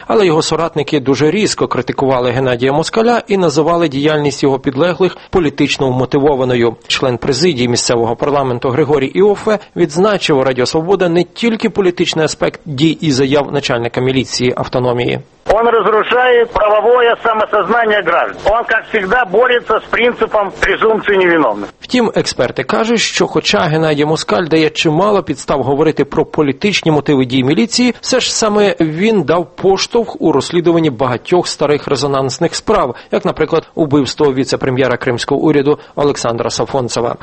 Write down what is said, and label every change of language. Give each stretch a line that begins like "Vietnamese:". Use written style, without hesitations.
Ukrainian: Але його соратники дуже різко критикували Геннадія Москаля і називали діяльність його підлеглих політично вмотивованою. Член президії місцевого парламенту Григорій Іофе відзначив у Радіо Свобода не тільки політичний аспект дій і заяв начальника міліції автономії.
Russian: Он разрушает правовое самосознание граждан. Он, как всегда, борется с принципом презумпции невиновности.
Ukrainian: Втім, експерти кажуть, що хоча Геннадій Москаль дає чимало підстав говорити про політичні мотиви дій міліції, все ж саме він дав поштовх у розслідуванні багатьох старих резонансних справ, як, наприклад, убивство віце-прем'єра кримського уряду Олександра Сафонцева.